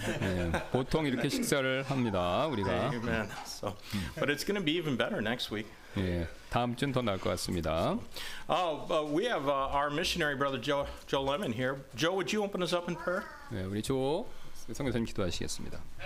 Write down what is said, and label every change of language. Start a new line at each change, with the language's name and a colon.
Korean: 예, 보통 이렇게 식사를 합니다, 우리가.
English: Amen. So, but it's going to be even better next week.
Korean: 예, 다음 주는 더 나을 것 같습니다.
English: Oh, but we have our missionary brother Joe Lemon here. Joe, would you open us up in prayer?
Korean: 예, 우리 조 성교사님 기도하시겠습니다.